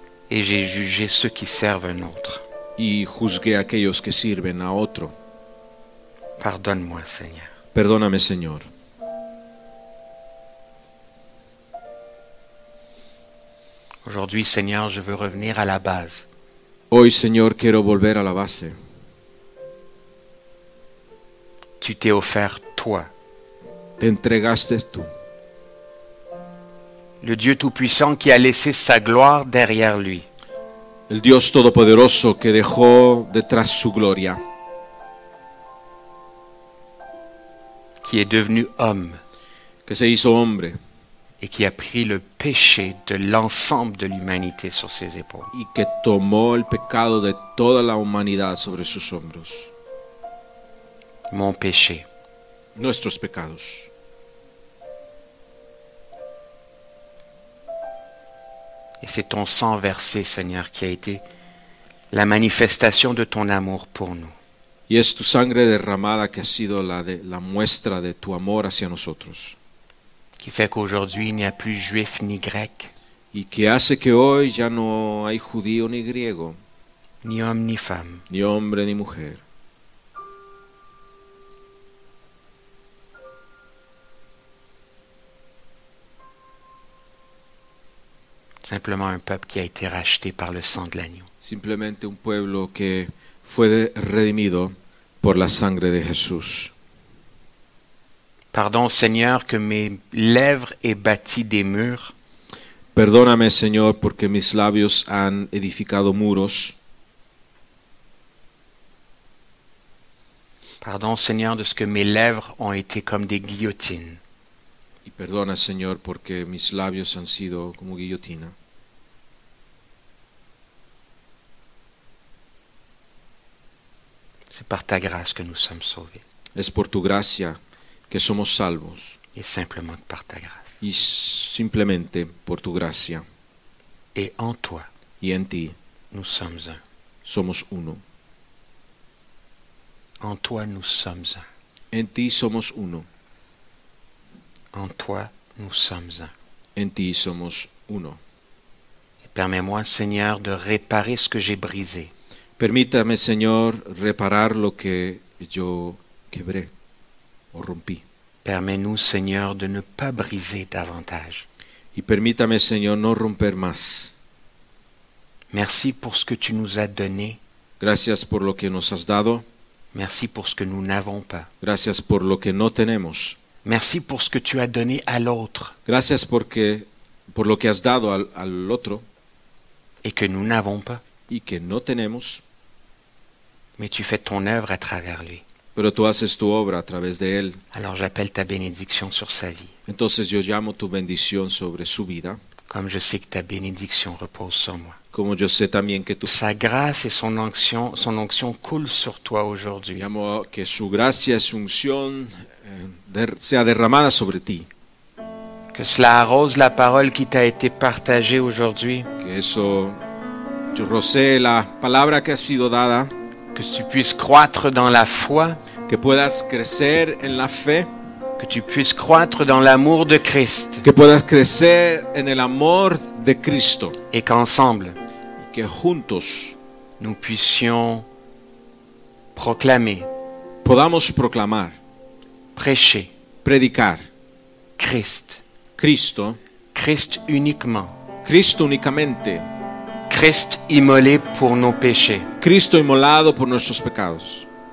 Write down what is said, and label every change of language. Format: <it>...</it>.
<fr>Et j'ai jugé ceux qui servent un autre.</fr> <es>Y juzgué a aquellos que sirven a otro.</es> <fr>Pardonne-moi, Seigneur.</fr> <es>Perdóname, Señor.</es> <fr>Aujourd'hui, Seigneur, je veux revenir à la base.</fr> <es>Hoy, Señor, quiero volver a la base.</es> <fr>Tu t'es offert toi.</fr> <es>Te entregaste tú.</es> <fr>Le Dieu Tout-Puissant qui a laissé sa gloire derrière lui.</fr> <es>El Dios Todopoderoso que dejó detrás su gloria.</es> <fr>Qui est devenu homme,</fr> <es>que se hizo hombre,</es> <fr>et qui a pris le péché de l'ensemble de l'humanité sur ses épaules,</fr> <es>y que tomó el pecado de toda la humanidad sobre sus hombros.</es> <fr>Mon péché,</fr> <es>nuestros pecados.</es> <fr>Et c'est ton sang versé, Seigneur, qui a été la manifestation de ton amour pour nous.</fr> <es>Y es tu sangre derramada que ha sido la muestra de tu amor hacia nosotros.</es> <fr>Qui fait qu'aujourd'hui il n'y a plus juif ni grec.</fr> <es>Y que hace que hoy ya no hay judío ni griego.</es> <fr>Ni homme ni femme.</fr> <es>Ni hombre ni mujer.</es> <fr>Simplement un peuple qui a été racheté par le sang de l'agneau.</fr> <es>Simplemente un pueblo que fue redimido. Por la sangre de Jesús.</es> <fr>Pardon, Seigneur, que mes lèvres aient bâti des murs.</fr> <es>Perdóname, Señor, porque mis labios han edificado muros.</es> <fr>Pardon, Seigneur, de ce que mes lèvres ont été comme des guillotines.</fr> <es>Y perdona, Señor, porque mis labios han sido como guillotina.</es> <fr>C'est par ta grâce que nous sommes sauvés.</fr> <es>Es por tu gracia que somos salvos.</es> <fr>Et simplement par ta grâce.</fr> <es>Y simplemente por tu gracia.</es> <fr>Et en toi.</fr> <es>Y en ti.</es> <fr>Nous sommes un.</fr> <es>Somos uno.</es> <fr>En toi nous sommes un.</fr> <es>En ti somos uno.</es> <fr>En toi nous sommes un.</fr> <es>En ti somos uno.</es> <fr>Et permets-moi, Seigneur, de réparer ce que j'ai brisé.</fr> <es>Permítame, Señor, reparar lo que yo quebré o rompí.</es> <fr>Permets-nous, Seigneur, de ne pas briser davantage.</fr> <es>Y permítame, Señor, no romper más.</es> <fr>Merci pour ce que tu nous as donné.</fr> <es>Gracias por lo que nos has dado.</es> <fr>Merci pour ce que nous n'avons pas.</fr> <es>Gracias por lo que no tenemos.</es> <fr>Merci pour ce que tu as donné à l'autre.</fr> <es>Gracias por lo que has dado al otro.</es> <fr>Et que nous n'avons pas.</fr> <es>Y que no tenemos.</es> <fr>Mais tu fais ton œuvre à travers lui.</fr> <es>Pero tú haces tu obra a través de él.</es> <fr>Alors j'appelle ta bénédiction sur sa vie.</fr> <es>Entonces yo llamo tu bendición sobre su vida.</es> <fr>Comme je sais que ta bénédiction repose sur moi.</fr> <es>Como yo sé también que tu...</es> <fr>Sa grâce et son onction coule sur toi aujourd'hui.</fr> <es>Llamo que su gracia y su unción sea derramada sobre ti.</es> <fr>Que cela arrose la parole qui t'a été partagée aujourd'hui.</fr> <es>Que eso tu rocee la palabra que ha sido dada.</es> <fr>Que tu puisses croître dans la foi.</fr> <es>Que puedas crecer en la fe.</es> <fr>Que tu puisses croître dans l'amour de Christ.</fr> <es>Que puedas crecer en el amor de Cristo.</es> <fr>Et qu'ensemble,</fr> <es>que juntos,</es> <fr>nous puissions proclamer,</fr> <es>podamos proclamar,</es> <fr>prêcher,</fr> <es>predicar,</es> <fr>Christ,</fr> <es>Cristo,</es> <fr>Christ uniquement,</fr> <es>Cristo únicamente,</es> <fr>Christ immolé pour nos péchés,</fr> <es>Cristo inmolado por nuestros pecados,</es>